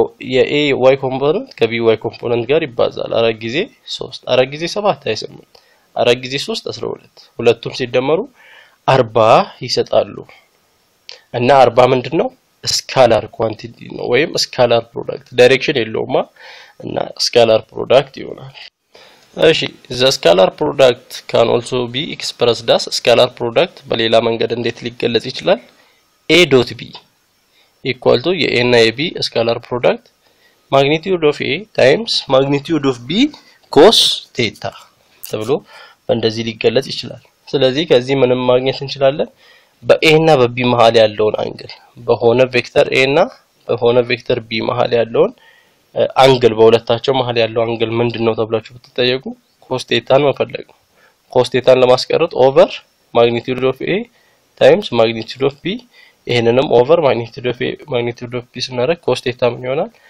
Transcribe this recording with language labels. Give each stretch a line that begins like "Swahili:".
Amharic: የኤ ዋይ ኮምፖነንት ከቢ ዋይ ኮምፖነንት ጋር ይባዛል 4 ጊዜ 3 4 ጊዜ 7 28 4 ጊዜ 3 12 ሁለቱም ሲደመሩ 40 ይሰጣሉ። እና 40 ምንድነው? ስካላር ኳንቲቲ ነው ወይም ስካላር ፕሮዳክት ዳይሬክሽን የለውማ እና ስካላር ፕሮዳክት ይሆናል። እሺ
English: ዘ ስካላር ፕሮዳክት ካን ኦልሶ ቢ ኤክስፕረስ ዳስ
Amharic: ስካላር ፕሮዳክት በሌላ መንገድ እንዴት ሊገለጽ ይችላል?
English: ኤ ዶት ቢ equal to a and a b scalar product magnitude of a times magnitude of b cos theta
Amharic: ተብሎ እንደዚህ ሊገለጽ ይችላል። ስለዚህ ከዚህ ምንም ማግኘት እንችላለን? በa እና በb መሃል ያለውን አንግል በሆነ ቬክተር a እና በሆነ ቬክተር b መሃል ያለውን አንግል በሁለታቸው መሃል ያለው አንግል ምንድነው ተብላችሁ ብትጠየቁ cos theta ነው ፈለግ። cos theta ለማስቀረት
English: over magnitude of a times magnitude of b
Amharic: ይሄንንም
English: ኦቨር ማግኒቲዩድ ኦፍ ኤ ማግኒቲዩድ ኦፍ ቢ
Amharic: ስናደርግ ኮስ ቴታ ምን ይሆናል?